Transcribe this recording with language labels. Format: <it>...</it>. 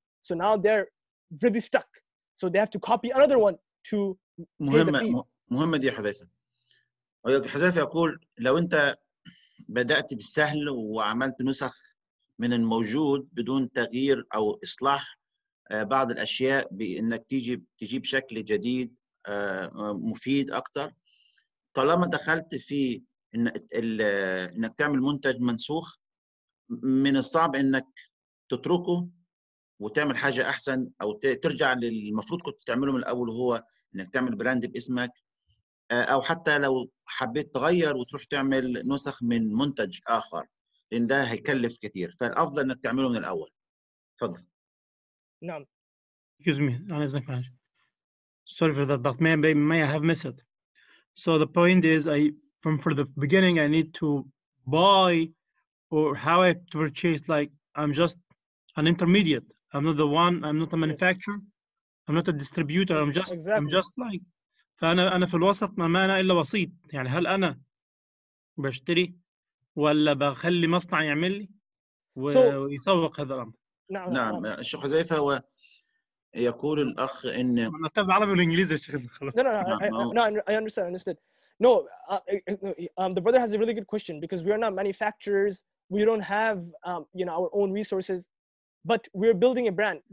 <en>So now they're really stuck. So they have to copy another one to Muhammad, pay the fees. Muhammad, yeah, Hazaif.</en> <ar>Hazaif, يقول لو أنت بدأت بالسهل وعملت نسخ من الموجود بدون تغيير أو إصلاح بعض الأشياء بأنك تجيب شكل جديد مفيد أكتر طالما دخلت في أنك تعمل منتج منسوخ من الصعب أنك تتركه وتعمل حاجة أحسن أو ترجع للمفروض كنت تعمله من الأول هو أنك تعمل براند باسمك أو حتى لو حبيت تغير وتروح تعمل نسخ من منتج آخر لان ده هيكلف كتير فالافضل انك تعمله من الاول تفضل نعم</ar> <en>excuse me</en> <ar>انا اسمك معلش</ar> <en>sorry for that but may I have missed it so the point is I from for the beginning I need to buy or how I to purchase like I'm just an intermediate I'm not the one I'm not a manufacturer I'm not a distributor I'm just exactly. I'm just like</en> <ar>فأنا في الوسط ما أنا إلا وسيط، يعني هل أنا بشتري ولا بخلي مصنع يعمل لي ويسوق هذا الأمر؟ نعم الشيخ حذيفة هو يقول الأخ إن أنا أتابع عربي والإنجليزي الشيخ.</ar> <en>No, I understand. No, the brother has a really good question because we are not manufacturers. We don't have, you know, our own resources, but we're building a brand.</en>